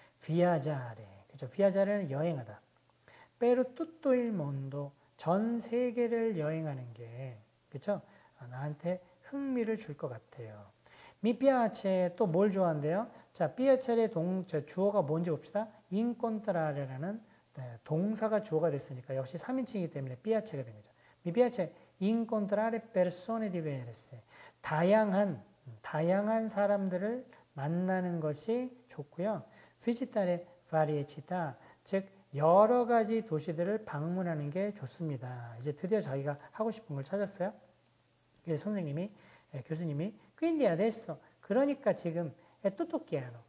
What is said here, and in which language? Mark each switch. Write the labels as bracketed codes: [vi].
[ko] viaggiare 그렇죠. viaggiare는 여행하다. [it] per tutto il mondo [ko] 전 세계를 여행하는 게 그렇죠? 나한테 흥미를 줄 것 같아요. 미피아체 또 뭘 좋아한대요? 자, 피아체의 주어가 뭔지 봅시다. incontrare라는 동사가 주어가 됐으니까 역시 3인칭이기 때문에 피아체가 됩니다. [it] Mi piace incontrare persone diverse. [ko] 다양한 사람들을 만나는 것이 좋고요. [it] Visitare varie città, [ko] 즉 여러 가지 도시들을 방문하는 게 좋습니다. 이제 드디어 자기가 하고 싶은 걸 찾았어요. 그래서 선생님이, 교수님이 [it] Quindi adesso, [ko] 그러니까 지금 [it] è tutto chiaro.